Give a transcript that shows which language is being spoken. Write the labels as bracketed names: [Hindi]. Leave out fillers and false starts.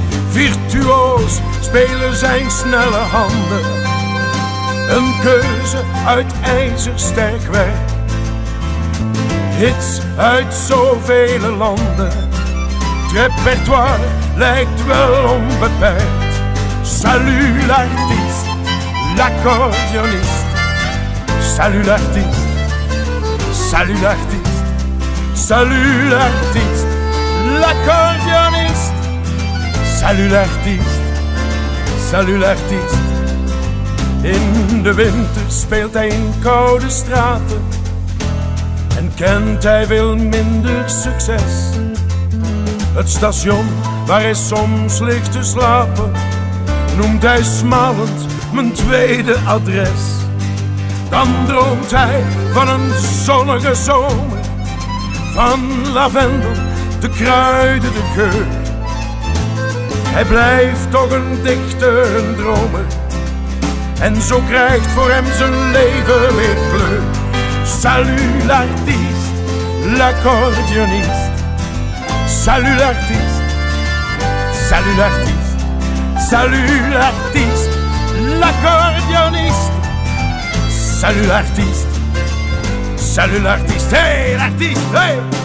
[Dutch] Virtuoos spelen zijn snelle handen, een keuze uit ijzersterk werk. Hits uit zoveel landen, het repertoire lijkt wel onbeperkt. [French] Salut l'artiste, l'accordioniste. Salut l'artiste, salut l'artiste. Salut l'artiste, l'accordioniste. Salut l'artiste, salut l'artiste. [Dutch] In de winter speelt hij in koude straten en kent hij veel minder succes. Het station waar hij soms ligt te slapen noemt hij smalend mijn tweede adres. Dan droomt hij van een zonnige zomer, van lavendel, de kruiden, de geur. Hij blijft toch een dichter, een dromer, en zo krijgt voor hem zijn leven weer kleur. [French] Salut l'artiste, l'accordioniste. Salut l'artiste, salut l'artiste, salut l'artiste, l'accordioniste. Salut l'artiste, salut l'artiste, hey l'artiste, hey!